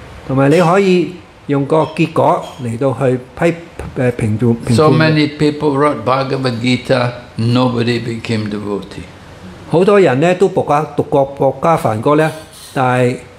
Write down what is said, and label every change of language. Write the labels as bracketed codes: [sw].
[zh] 还有你可以用个结果来去评判。 [en] So many people wrote Bhagavad Gita, nobody became devotee. [zh] 很多人都读过《国家梵歌》，但是